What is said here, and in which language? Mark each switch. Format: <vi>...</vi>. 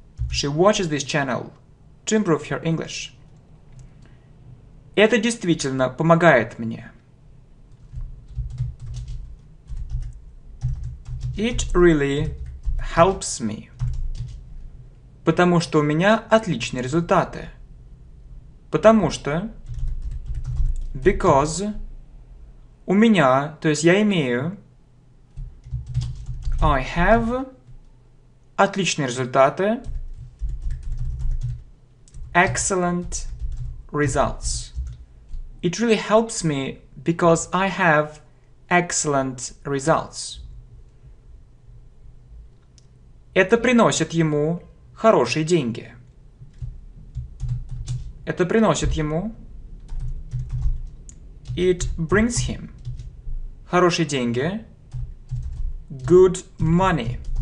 <en>She watches this channel to improve her English.</en> <ru>Это действительно помогает мне.</ru> <en>It really helps me.</en> <ru>Потому что у меня отличные результаты. Потому что... Because... У меня, то есть я имею...</ru> <en>I have...</en> <ru>Отличные результаты.</ru> <en>Excellent results. It really helps me because I have excellent results.</en> <ru>Это приносит ему хорошие деньги. Это приносит ему...</ru> <en>It brings him</en> <ru>хорошие деньги.</ru> <en>Good money.</en>